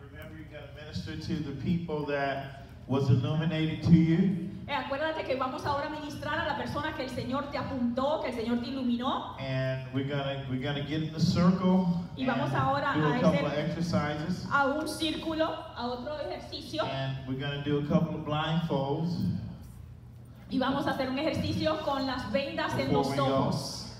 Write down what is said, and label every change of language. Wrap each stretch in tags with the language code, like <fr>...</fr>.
<en>Remember, you gotta minister to the people that was illuminated to you.</en> <es>Acuérdate que vamos ahora a ministrar a la persona que el Señor te apuntó, que el Señor te iluminó.</es> <en>And we're gonna get in the circle.</en> <es>Y vamos ahora</es> <en>a couple of exercises.</en> <es>A un círculo, a otro ejercicio.</es> <en>And we're gonna do a couple of blindfolds.</en> <es>Y vamos a hacer un ejercicio con las vendas en los ojos.</es>